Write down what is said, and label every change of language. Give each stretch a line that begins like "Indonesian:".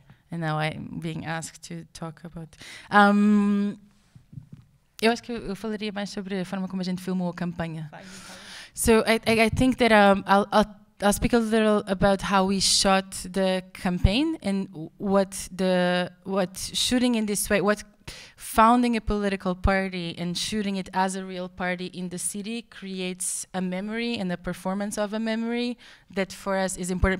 English: And now I'm being asked to talk about.
Portuguese: Eu acho que eu falaria mais sobre a forma como a gente filmou a campanha.
English: So I think that I'll speak a little about how we shot the campaign and what shooting in this way, what founding a political party and shooting it as a real party in the city creates a memory and a performance of a memory that for us is important.